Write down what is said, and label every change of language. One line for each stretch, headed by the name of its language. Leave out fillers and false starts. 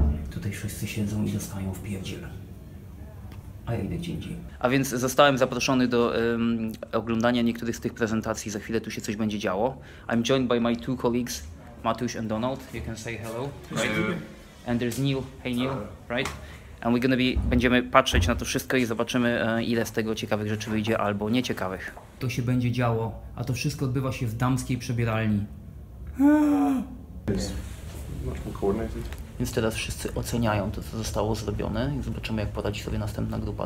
Polish: Tutaj wszyscy siedzą i dostają w pierdziel. A ja idę gdzie indziej. A więc zostałem zaproszony do oglądania niektórych z tych prezentacji. Za chwilę tu się coś będzie działo.
English: I'm joined by my two colleagues, Matusz and Donald. You can say hello. Right? And there's Neil. Hey Neil, right? And we're gonna be,
Polish: będziemy patrzeć na to wszystko i zobaczymy, ile z tego ciekawych rzeczy wyjdzie, albo nieciekawych. To się będzie działo, a to wszystko odbywa się w damskiej przebieralni. Więc teraz wszyscy oceniają to, co zostało zrobione i zobaczymy, jak poradzi sobie następna grupa.